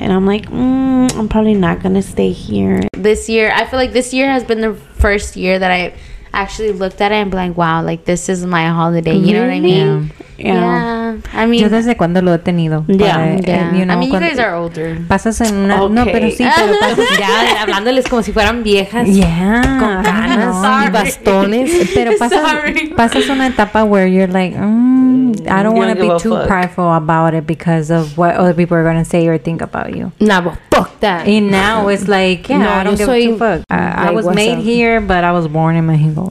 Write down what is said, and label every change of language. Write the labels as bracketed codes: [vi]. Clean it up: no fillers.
[en] And I'm like, I'm probably not going to stay here. This year, I feel like this year has been the first year that I actually looked at it and be like, wow, like this is my holiday. You know what I mean? Yeah. I mean, [es] yo desde cuando lo he tenido. [en] You know, I mean, you guys are older. [es] Pasas en una, okay. No, pero sí, pero pasas ya hablándoles como si fueran viejas. [en] Yeah. [es] Con ganas y bastones. Pero pasas, pasas una etapa [en] where you're like, I don't want to be too prideful about it because of what other people are going to say or think about you. Nah, but fuck that. And now it's like, yeah, no, I don't give a fuck. I was made here, but I was born in Mexico.